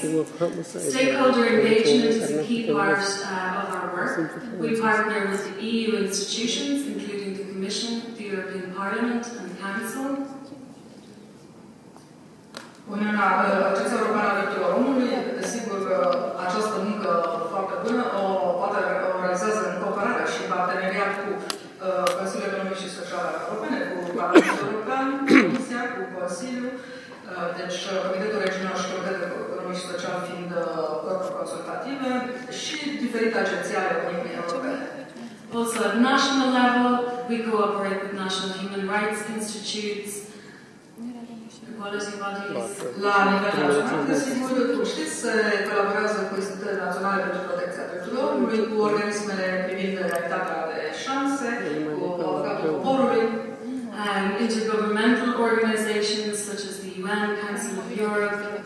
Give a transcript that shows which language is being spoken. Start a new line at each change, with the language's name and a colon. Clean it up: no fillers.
English: Stakeholder engagement is a key part of our work. We partner with the EU institutions, including the Commission, the European Parliament, and the Council.
Romanian: Uniunea Agenția Europeană a Drepturilor Omului, desigur că această muncă foarte bună o poate realiza în cooperare și parteneriat cu Consiliul Economic și Social Europene, cu Parlamentul European, Comisia, cu Consiliul, deci Comitetul Regional și Comitetul Economic și Social fiind corpuri consultative și diferite agenții ale Uniunii Europene.
English: Also at national level, we cooperate with national human rights institutes.
Romanian: La nivel național, desigur, tu știți, se colaborează cu Institutele Naționale pentru Protecția Drepturilor Omului, cu organismele privind egalitatea de șanse, cu Avocatul Poporului,
English: intergovernmental organizations such as the UN, Council of Europe,